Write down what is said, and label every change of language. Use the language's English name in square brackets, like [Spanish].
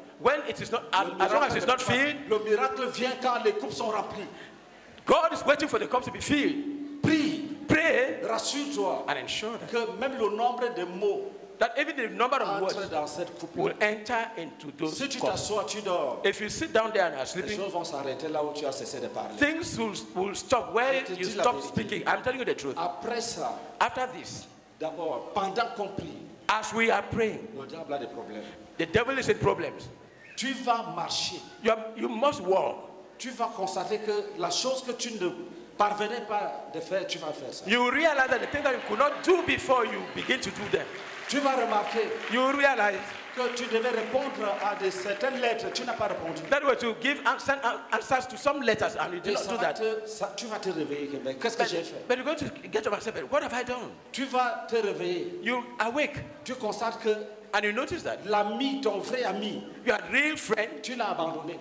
[English] When it is not, as long as it's not filled, [French] le miracle vient quand les coupes sont remplies. [English] God is waiting for the cups to be filled. Pray. [French] Rassure-toi. [English] And ensure [French] que même le nombre de mots, [English] that even the number of words, [French] dans cette coupe [English] will enter into those [French] si [English] cups. [French] Tu t'assois, tu dors. [English] If you sit down there and are sleeping, [French] les choses vont s'arrêter là où tu as cessé de parler. [English] Things will stop where you stop speaking. I'm telling you the truth. [French] Après ça, [English] after this, [French] d'abord, pendant qu'on prie, [English] as we are praying, [French] le diable a des problèmes. [English] The devil is in problems. [French] Tu vas marcher. [English] You must walk. [French] Tu vas constater que la chose que tu ne parvenais pas de faire, tu vas faire ça. [English] You realize that the thing that you could not do before, you begin to do them. [French] Tu vas remarquer. [English] You realize [French] que tu devais répondre à des certaines lettres, tu n'as pas répondu. [English] That way to give answers to some letters and you did not do that. [French] Tu vas te réveiller. Qu'est-ce que j'ai fait? [English] But you're going to get yourself. What have I done? [French] Tu vas te réveiller. [English] You awake. [French] Tu constates que [English] And you notice that. [French] L'ami, ton vrai ami. [English] Your real friend. [French] Tu l'as abandonné.